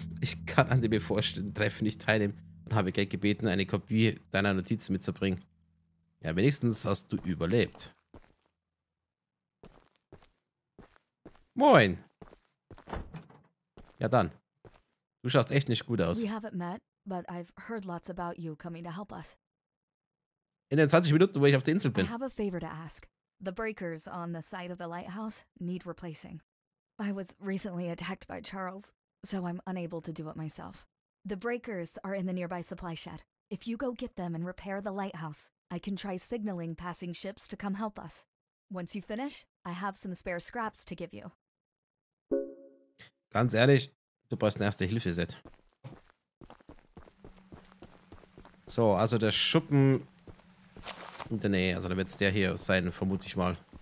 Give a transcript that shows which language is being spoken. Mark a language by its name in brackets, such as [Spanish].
[German] Ich kann an dem bevorstehenden Treffen nicht teilnehmen und habe Greg gebeten, eine Kopie deiner Notiz mitzubringen. Ja, wenigstens hast du überlebt. Moin! Ja dann. Du schaust echt nicht gut aus. [English] We haven't met, but I've heard lots about you coming to help us. [German] In den 20 Minuten, wo ich auf der Insel bin. [English] I have a favor to ask. The breakers on the side of the lighthouse need replacing. I was recently attacked by Charles, so I'm unable to do it myself. The breakers are in the nearby supply shed. If you go get them and repair the lighthouse, I can try signaling passing ships to come help us. Once you finish, I have some spare scraps to give you. [German] Ganz ehrlich, du brauchst ein Erste-Hilfe-Set. So, also der Schuppen in der Nähe, also da wird es der hier sein, vermute ich mal.